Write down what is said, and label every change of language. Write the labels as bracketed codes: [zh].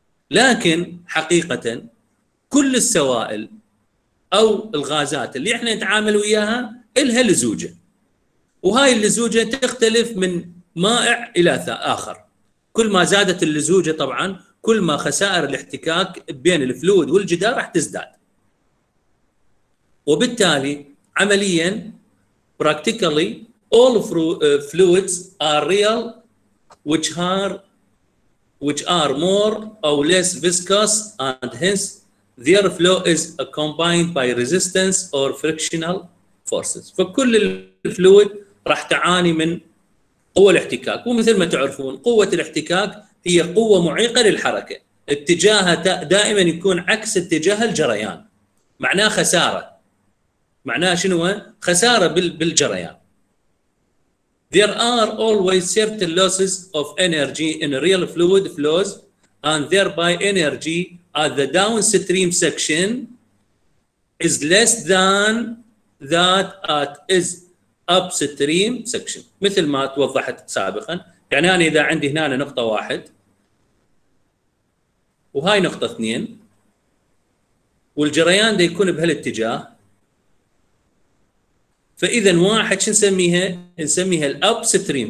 [ar] لكن حقيقه كل السوائل او الغازات اللي احنا نتعامل وياها لها لزوجه، وهاي اللزوجه تختلف من مائع الى اخر. كل ما زادت اللزوجه طبعا كل ما خسائر الاحتكاك بين الفلويد والجدار راح تزداد. وبالتالي عمليا [en] practically all fluids are real which are more or less viscous and hence their flow is accompanied by resistance or frictional forces. [ar] فكل الفلويد راح تعاني من قوة الاحتكاك، ومثل ما تعرفون قوة الاحتكاك هي قوة معيقة للحركة، اتجاهها دائما يكون عكس اتجاه الجريان، معناه خسارة. معناه شنو؟ خسارة بالجريان. [en] There are always certain losses of energy in real fluid flows and thereby energy at the downstream section is less than that at its upstream section. [ar] مثل ما توضحت سابقا، يعني أنا إذا عندي هنا نقطة واحد وهاي نقطة اثنين والجريان ده يكون بهالاتجاه، فإذا واحد شو نسميها؟ نسميها الأب ستريم.